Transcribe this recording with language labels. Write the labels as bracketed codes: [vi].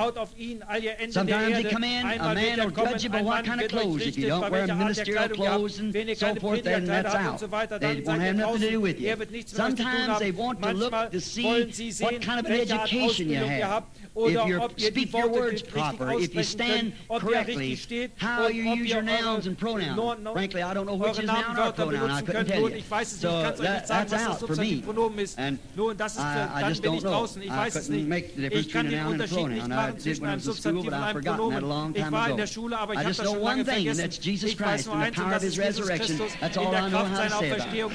[de] Schaut auf ihn, all ihr Enden der Erde. Einmal wird er kommen, ein Mann wird euch richten, bei welcher Art der Kleidung ihr habt, wenn ihr keine Predigerkleider habt und so weiter, dann seid ihr draußen. Er wird nichts mit euch zu tun haben. Manchmal wollen sie sehen, welche Art Ausbildung ihr habt. Oder ob ihr die Worte richtig aussprechen könnt, ob ihr richtig steht, und ob ihr eure Nouns und Pronouns, [en] frankly, I don't know which is noun or pronoun, I couldn't tell you. [de] Ich weiß es nicht, ich kann es euch nicht sagen, was das Substantiv und Pronomen ist. Nun, das ist, dann bin ich draußen, ich weiß es nicht. Ich kann den Unterschied nicht machen zwischen einem Substantiv und einem Pronomen. Ich war in der Schule, aber ich habe das schon lange vergessen. Ich weiß nur eins, und das ist Jesus Christus in der Kraft seiner Auferstehung.